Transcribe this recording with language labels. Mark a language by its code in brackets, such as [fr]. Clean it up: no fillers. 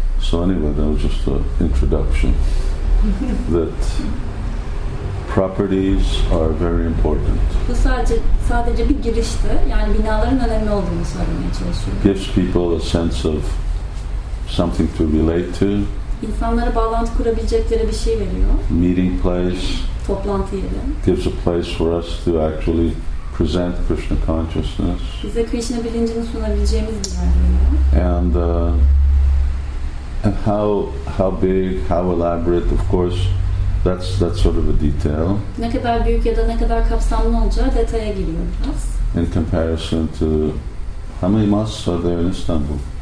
[en] So anyway, that was just an introduction that properties are very important. [tr] Bu sadece bir girişti, yani binaların önemli olduğunu söylemeye çalışıyorum. [en] Gives people a sense of something to relate to. [tr] İnsanlara bağlantı kurabilecekleri bir şey veriyor. [en] Meeting place. [tr] Toplantı yeri. [en] Gives a place for us to actually present Krishna consciousness. [tr] Bize Krishna bilincini sunabileceğimiz bir yer. [en] And And how big, how elaborate, of course, that's sort of a detail. [tr] Ne kadar büyük ya da ne kadar kapsamlı olacağı detaya giriyor biraz. [en] In comparison to, how many mosques are there in Istanbul?